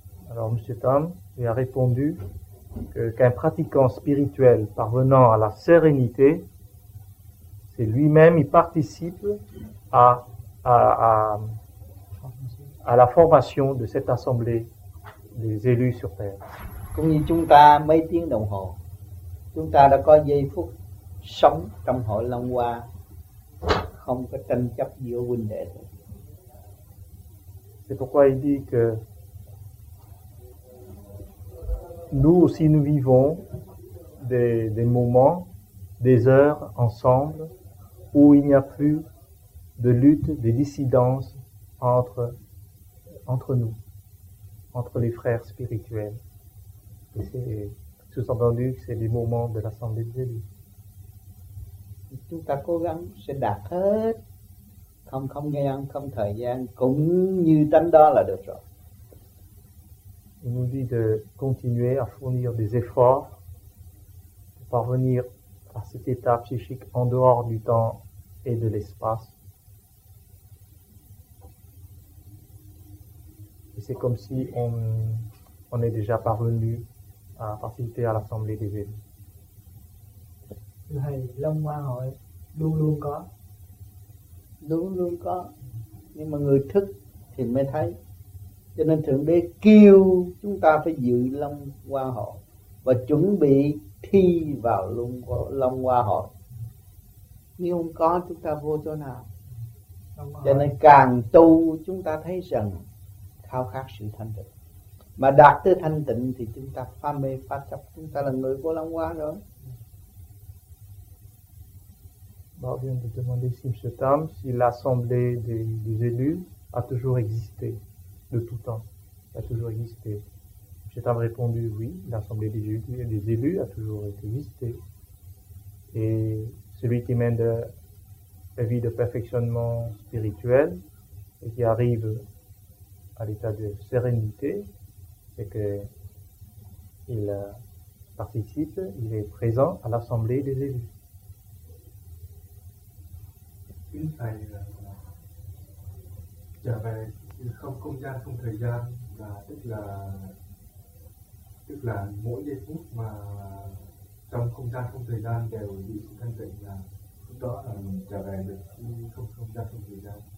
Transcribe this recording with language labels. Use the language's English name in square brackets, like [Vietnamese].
[French] Alors, Monsieur Tom lui a répondu qu'un pratiquant spirituel parvenant à la sérénité, c'est lui-même, il participe à la formation de cette assemblée des élus sur terre. [Vietnamese] Cũng như chúng ta mấy tiếng đồng hồ, chúng ta đã có giây phút sống trong hội Long Hoa, không có tranh chấp giữa huynh đệ. [French] C'est pourquoi il dit que nous aussi nous vivons des moments, des heures ensemble où il n'y a plus de lutte, de dissidence entre nous, entre les frères spirituels. Et c'est sous-entendu que c'est les moments de l'Assemblée des élus. [Vietnamese] Chúng ta cố gắng sẽ đạt hết, không không gian, không thời gian, cũng như tánh đó là được rồi. [French] Il nous dit de continuer à fournir des efforts pour parvenir à cet état psychique en dehors du temps et de l'espace. Et c'est comme si on est déjà parvenu à participer à l'Assemblée des élus. [Vietnamese] Thầy Long Hoa hội luôn luôn có, nhưng mà người thức thì mới thấy. Cho nên Thượng Đế kêu chúng ta phải dự Long Hoa hội và chuẩn bị thi vào Long Hoa hội. Nếu không có, chúng ta vô chỗ nào? Cho nên càng tu chúng ta thấy rằng khao khát sự thanh tịnh, mà đạt tới thanh tịnh thì chúng ta phá mê phá chấp, chúng ta là người của Long Hoa rồi. [French] Bon, on vient de demander Simchetam si l'assemblée des élus a toujours existé, de tout temps, a toujours existé. Simchetam a répondu oui, l'assemblée des élus a toujours existé. Et celui qui mène la vie de perfectionnement spirituel et qui arrive à l'état de sérénité, c'est qu'il participe, il est présent à l'assemblée des élus. [Vietnamese] Kính thầy trở về không không gian không thời gian là tức là mỗi giây phút mà trong không gian không thời gian đều bị thanh tịnh là đó là mình trở về được không không gian không thời gian.